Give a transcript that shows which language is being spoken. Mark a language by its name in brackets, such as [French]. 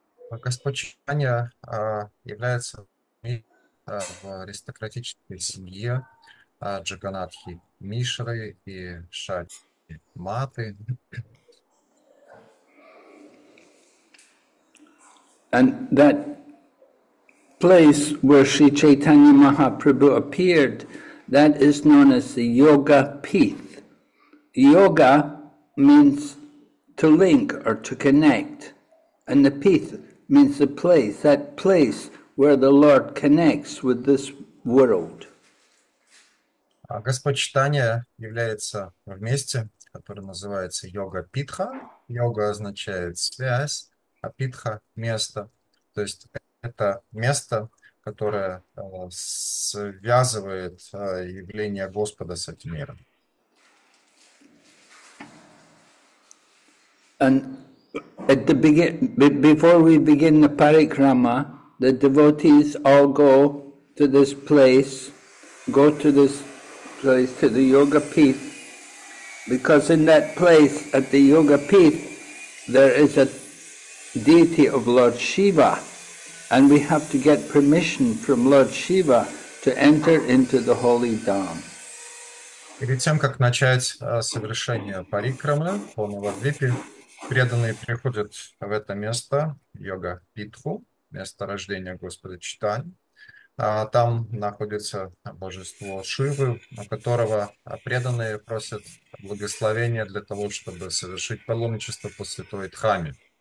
[Russian] Господчитание является в аристократической семье Джаганатхи Мишры и Шади Маты. [English] And that place where Sri Chaitanya Mahaprabhu appeared, that is known as the Yoga Pith. Yoga means to link or to connect, and the Pith means the place, that place where the Lord connects with this world. [Russian] Господь Читания является в месте, которое называется Йога Питха. Йога означает связь, а Питха – место. То есть это место, которое связывает явление Господа с этим миром. [English] And at the begin, before we begin the Parikrama, the devotees all go to this place, go to this place, to the Yoga Pith, because in that place, at the Yoga Pith, there is a deity of Lord Shiva, and we have to get permission from Lord Shiva to enter into the holy dham. [Russian] Перед тем, как начать совершение парикрамы по Навадвипе, преданные приходят в это место, йога Питху, место рождения Господа Читань. Там находится божество Шивы, у которого преданные просят благословения для того, чтобы совершить паломничество по святой Дхаме.